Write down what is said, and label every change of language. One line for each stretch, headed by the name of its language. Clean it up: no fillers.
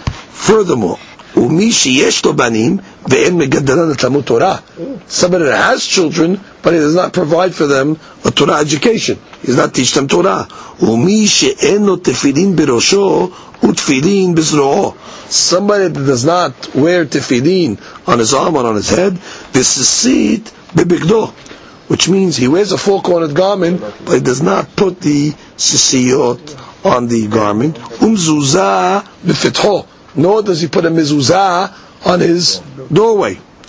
Hebrew: Furthermore, ומי שיש לו בנים ואין מגדלן לתלמוד תורה.
English: Somebody that has children, but he does not provide for them a Torah education. He does not teach them Torah.
Hebrew: ומי שאין לו תפילין בראשו ותפילין בזרועו.
English: Somebody that does not wear תפילין on his arm or on his head, this is seat בבגדו. Which means he wears a four-cornered garment, but he does not put the sisiyot on the garment.
Hebrew: ומזוזה בפתחו.
English: Nor does he put a mezuzah on his doorway.